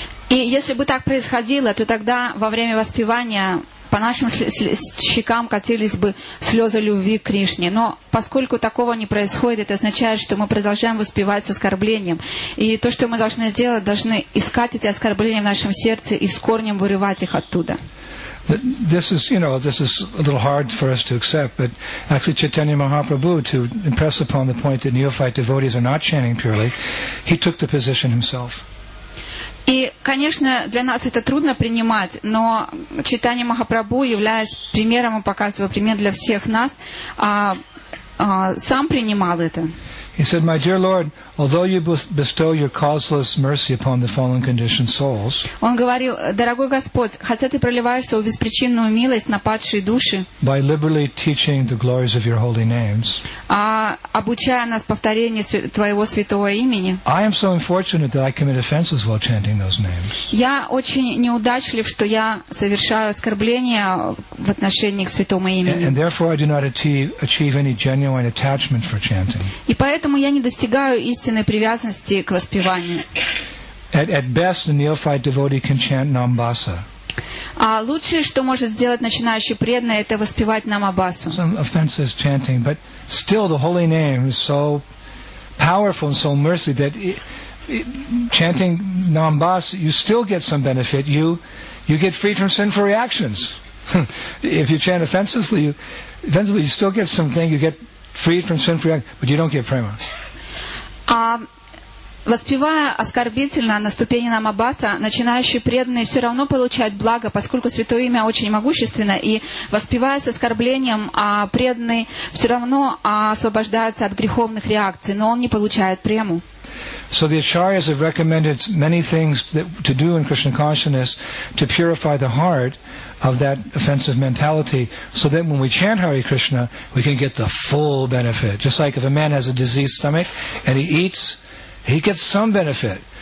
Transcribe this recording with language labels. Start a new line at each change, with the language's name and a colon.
Russian: И если бы так происходило, то тогда во время воспевания по нашим щекам катились бы слезы любви к Кришне. Но поскольку такого не происходит, это означает, что мы продолжаем воспевать с оскорблением. И то, что мы должны делать, должны искать эти оскорбления в нашем сердце и с корнем вырывать их оттуда.
English: This is a little hard for us to accept, but actually Chaitanya Mahaprabhu, to impress upon the point that neophyte devotees are not chanting purely, he took the position himself.
Russian: И, конечно, для нас это трудно принимать, но Чайтанья Махапрабху, являясь примером и показывая пример для всех нас, сам принимал это.
English: He said, "My dear Lord, although you bestow your causeless mercy upon the fallen conditioned souls,"
Russian: он говорил, дорогой Господь, хотя ты проливаешь свою беспричинную милость на падшие души,
English: "by liberally teaching the glories of your holy names,"
Russian: обучая нас повторению твоего святого имени,
English: "I am so unfortunate that I commit offenses while chanting those names."
Russian: Я очень неудачлив, что я совершаю оскорбления в отношении к святому имени.
English: And therefore, I do not achieve any genuine attachment for chanting.
Russian: И поэтому поэтому я не достигаю истинной привязанности к воспеванию.
English: At best, a neophyte devotee can chant Nam Basa.
Russian: А лучшее, что может сделать начинающий преданный, это воспевать Намабасу.
English: Some offenses chanting, but still the holy name is so powerful and so mercy that chanting Nam Basa, you still get some benefit. You get free from sinful reactions. If you chant offensively, you still get something. You get freed from sinful reactions, but you don't get prema.
Russian: Воспевая оскорбительно на ступени Намабаса, начинающие преданные все равно получают благо, поскольку святое имя очень могущественно, и воспевая с оскорблением, преданный все равно освобождается от греховных реакций, но он не получает прему.
English: So the acharyas have recommended many things to do in Krishna consciousness to purify the heart of that offensive mentality, so that when we chant Hare Krishna, we can get the full benefit. Just like if a man has a diseased stomach and he eats, he gets some benefit.